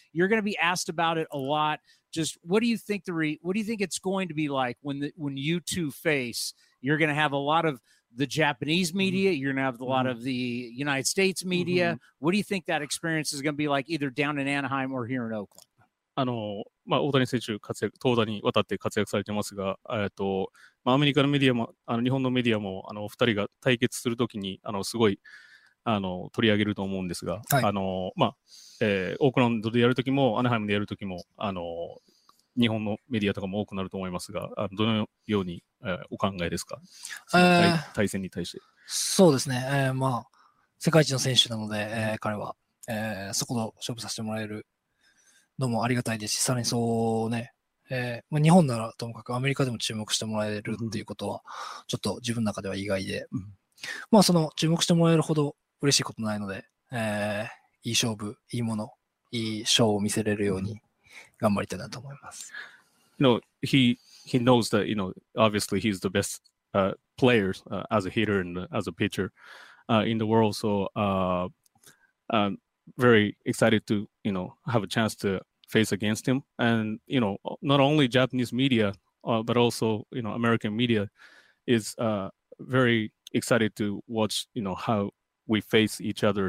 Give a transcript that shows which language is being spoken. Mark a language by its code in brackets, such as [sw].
[en] You're going to be asked about it a lot. Just what do you think what do you think it's going to be like when you two face? You're going to have a lot of the Japanese media. You're going to have a lot of the United States media. Mm-hmm. What do you think that experience is going to be like either down in Anaheim or here in Oakland? [ja] まあ、大谷選手活躍、投打にわたって活躍されてますが、まあ、アメリカのメディアも日本のメディアも2人が対決するときにすごい取り上げると思うんですが、はい、まあ、オークランドでやるときもアナハイムでやるときも日本のメディアとかも多くなると思いますが、どのように、お考えですか、対戦に対して。そうですね、まあ、世界一の選手なので、彼は、そこで勝負させてもらえるどうもありがたいですし、さらにそうね、まあ、日本ならともかくアメリカでも注目してもらえるっていうことは、ちょっと自分の中では意外で、うん、まあその注目してもらえるほど嬉しいことないので、いい勝負、いいもの、いいショーを見せれるように頑張りたいなと思います。 [en] No, he knows that, you know, obviously he's the best, players as a hitter and as a pitcher in the world. So I'm very excited to, you know, have a chance to face against him. And, you know, not only Japanese media, but also, you know, American media is very excited to watch, you know, how we face each other.